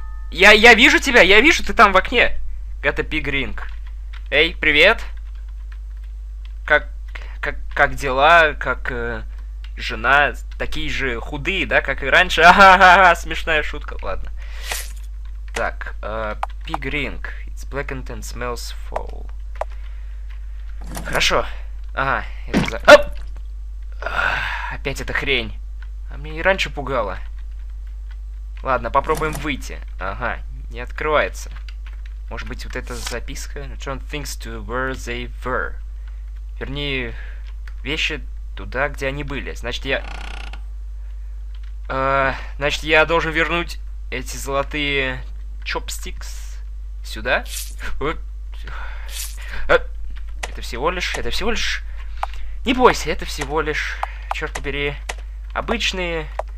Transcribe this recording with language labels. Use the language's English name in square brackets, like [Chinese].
[Russian] Я вижу тебя, я вижу, ты там в окне. [English] Got a big ring. [Russian] Эй, привет. Как дела, как жена. Такие же худые, да, как и раньше. Ага, смешная шутка, ладно. Так, [English] big ring. It's blackened and smells foul. [Russian] Хорошо. Ага, это за... Оп! Опять эта хрень. А мне и раньше пугало. Ладно, попробуем выйти. Ага, не открывается. Может быть, вот эта записка? [English] Return things to where they were. [Russian] Верни вещи туда, где они были. Значит, я... значит, я должен вернуть эти золотые chopsticks сюда? Это всего лишь... Не бойся, это всего лишь, черт побери, обычные...